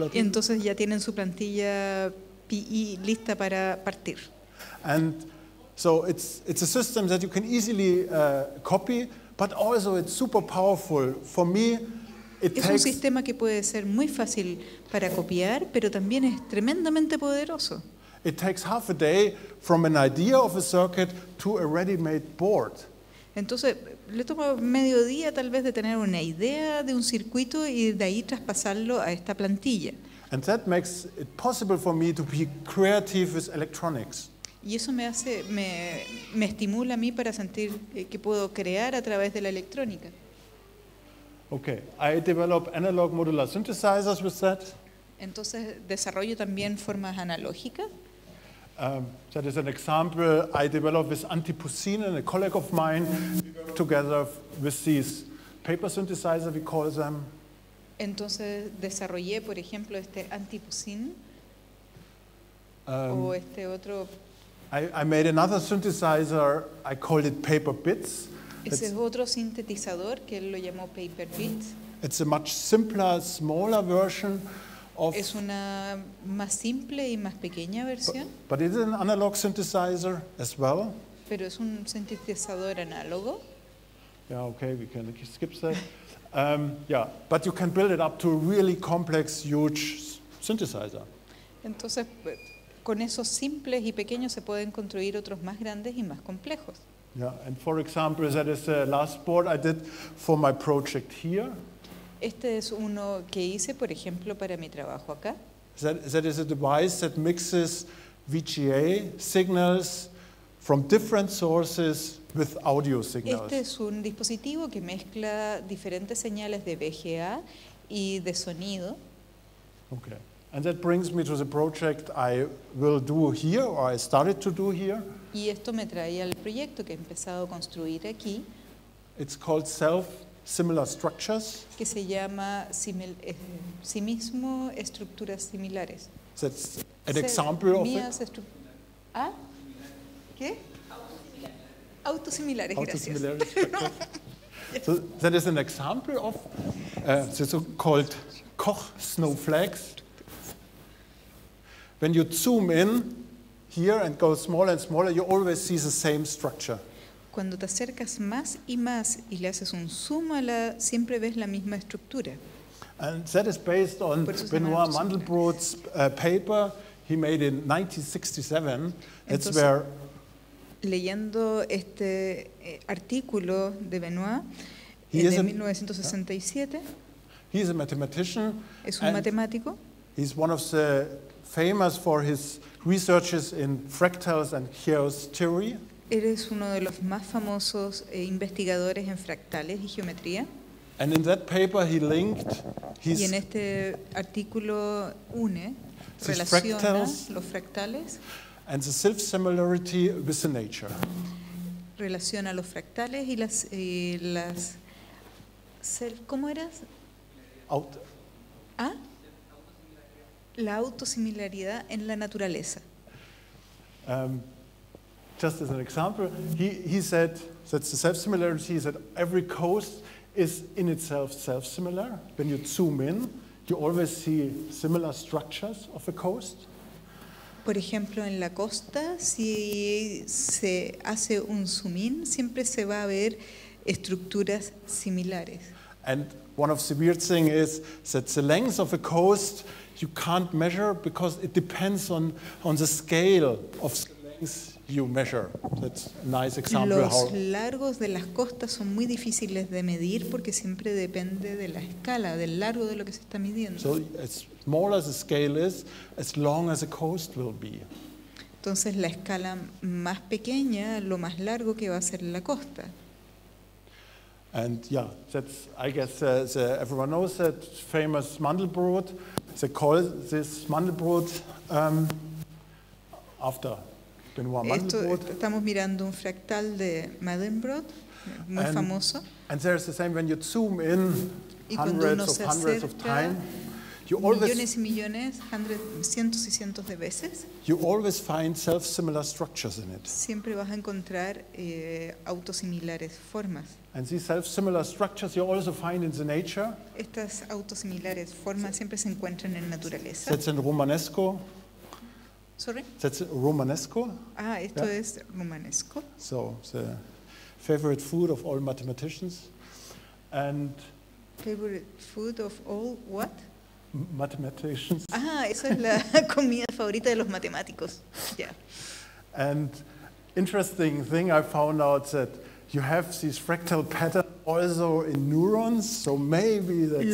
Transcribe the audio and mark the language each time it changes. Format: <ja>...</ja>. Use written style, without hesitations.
<es>Y entonces ya tienen su plantilla PE lista para partir.</es> <en>And so it's a system that you can easily copy, but also it's super powerful. For me, it takes...</en> <es>Es un sistema que puede ser muy fácil para copiar, pero también es tremendamente poderoso.</es> <en>It takes half a day from an idea of a circuit to a ready-made board.</en> <es>Entonces, le toma medio día tal vez de tener una idea de un circuito y de ahí traspasarlo a esta plantilla.</es> <en>And that makes it possible for me to be creative with electronics.</en> <es>Y eso me hace, me estimula a mí para sentir que puedo crear a través de la electrónica.</es> <en>Okay, I develop analog modular synthesizers with that.</en> <es>Entonces desarrollo también formas analógicas.</es> <en>That is an example I developed with Antipusine and a colleague of mine together with these paper synthesizers, we call them.</en> <es>Entonces desarrollé, por ejemplo, este Antipusine o este otro.</es> <en>I made another synthesizer, I called it Paper Bits.</en> <es>Ese es otro sintetizador que él lo llamó Paper Bits.</es> <en>It's a much simpler, smaller version of...</en> <es>Es una más simple y más pequeña versión.</es> <en>But it is an analog synthesizer as well.</en> <es>Pero es un sintetizador análogo.</es> <en>Yeah, okay, we can skip that. yeah, but you can build it up to a really complex, huge synthesizer.</en> <es>Entonces... Con esos simples y pequeños se pueden construir otros más grandes y más complejos.</es> <en>Yeah, and for example, that is the last board I did for my project here.</en> <es>Este es uno que hice, por ejemplo, para mi trabajo acá.</es> <en>That is a device that mixes VGA signals from different sources with audio signals.</en> <es>Este es un dispositivo que mezcla diferentes señales de VGA y de sonido.</es> <en>Okay. And that brings me to the project I will do here, or I started to do here.</en> <es>Y esto me trae al proyecto que he empezado a construir aquí.</es> <en>It's called self-similar structures.</en> <es>Que se llama sí mismo estructuras similares.</es> <en>That's an example of</en> <es>mías</es> <en>it.</en> <es>¿Ah? ¿Qué? Autosimilares. Autosimilares.</es> <en>So that is an example of the so-called Koch snowflakes. When you zoom in here and go smaller and smaller, you always see the same structure.</en> <es>Cuando te acercas más y más y le haces un zoom a la, siempre ves la misma estructura.</es> <en>And that is based on Benoit Mandelbrot's paper he made in 1967. That's where.</en> <es>Leyendo este artículo de Benoit de 1967.</es> <en>He is a mathematician.</en> <es>Es un matemático.</es> <en>He's one of the famous for his researches in fractals and chaos theory.</en> <es>Él es uno de los más famosos investigadores en fractales y geometría.</es> <en>And in that paper he linked his</en> <es>y en este artículo une, relaciona fractals los fractales</es> <en>and the self-similarity with the nature.</en> <es>Relaciona los fractales y las self, ¿cómo eras?</es> <en>Out.</en> <es>¿Ah? La autosimilaridad en la naturaleza.</es> <en>Just as an example, he said that the self-similarity is that every coast is in itself self-similar. When you zoom in, you always see similar structures of a coast.</en> <es>Por ejemplo, en la costa, si se hace un zoom in, siempre se va a ver estructuras similares.</es> <en>And one of the weird things is that the length of a coast you can't measure because it depends on the scale of the length you measure. That's a nice example.</en> <es>Los largos de las costas son muy difíciles de medir porque siempre depende de la escala, del largo de lo que se está midiendo.</es> <en>So as small as the scale is, as long as the coast will be.</en> <es>Entonces la escala más pequeña, lo más largo que va a ser la costa.</es> <en>And yeah, that's, I guess everyone knows that famous Mandelbrot. They call this Mandelbrot after Benoit Mandelbrot.</en> <es>Estamos mirando un fractal de Mandelbrot, muy and, famoso.</es> <en>And there's the same when you zoom in hundreds of times. You always,</en> <es>millones y millones, cientos y cientos de veces.</es> <en>You always find self-similar structures in it.</en> <es>Siempre vas a encontrar autosimilares formas.</es> <en>And these self-similar structures you also find in the nature.</en> <es>Estas autosimilares formas siempre se encuentran en naturaleza.</es> <en>That's in Romanesco. Sorry? That's Romanesco.</en> <es>Ah, esto yeah. Es Romanesco.</es> <en>So, the favorite food of all mathematicians. And favorite food of all what? Mathematicians.</en> <es>Ah, esa es la comida favorita de los matemáticos.</es> <en>Yeah. And interesting thing I found out that you have these fractal patterns also in neurons, so maybe that's</en>